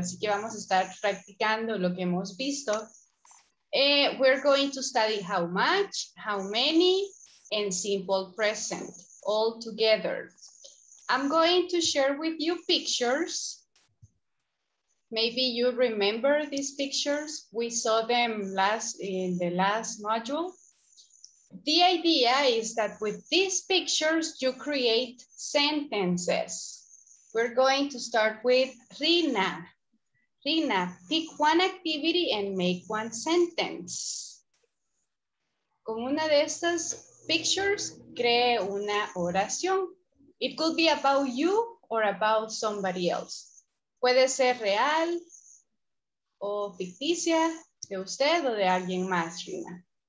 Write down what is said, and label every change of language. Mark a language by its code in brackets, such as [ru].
[es] Así que vamos a estar practicando lo que hemos visto. [en] We're going to study how much, how many, and simple present all together. I'm going to share with you pictures. Maybe you remember these pictures. We saw them in the last module. The idea is that with these pictures, you create sentences. We're going to start with Rina. Rina, pick one activity and make one sentence. [es] Con una de estas pictures, cree una oración. [en] It could be about you or about somebody else. [es] Puede ser real o ficticia, de usted o de alguien más, Rina.